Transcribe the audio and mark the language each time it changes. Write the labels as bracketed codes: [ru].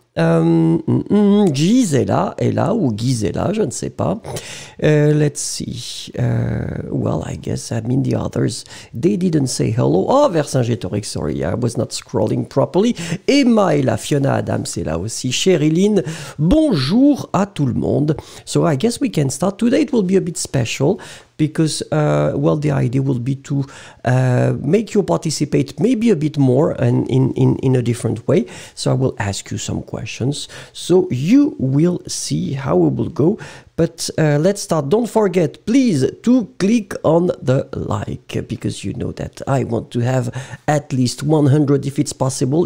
[fr] Giz est là, ou Giz est là, je ne sais pas. [en] Let's see. Well, I guess, I mean, the others, they didn't say hello. Oh, Vercingétorix, sorry, I was not scrolling properly. [fr] Emma est là, Fiona Adams est là aussi, Cheryline, bonjour à tout le monde. [en] So, I guess we can start. Today, it will be a bit special. Because, well, the idea will be to make you participate maybe a bit more and in a different way. So I will ask you some questions. So you will see how it will go. But let's start. Don't forget, please, to click on the like, because you know that I want to have at least 100 if it's possible.